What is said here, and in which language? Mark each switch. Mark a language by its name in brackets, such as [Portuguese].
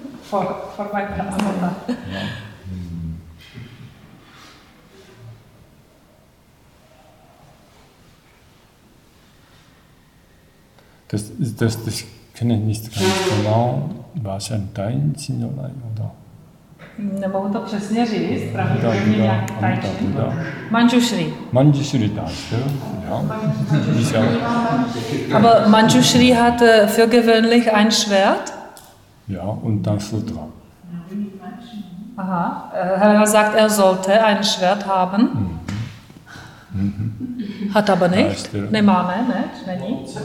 [German] Form ist Leerheit. Das kenne ich nicht ganz genau. War es ein Teilchen oder? [Czech] Nemohu to přesně říct, pravděpodobně nějak tajčí. [German] Manjushri. Manjushri dance, ja. Aber Manjushri hat für gewöhnlich ein Schwert? Ja, und dann Sutra. Aha, Helga sagt, er sollte ein Schwert haben. Hat aber nicht. [Czech] Nemáme, ne? Není?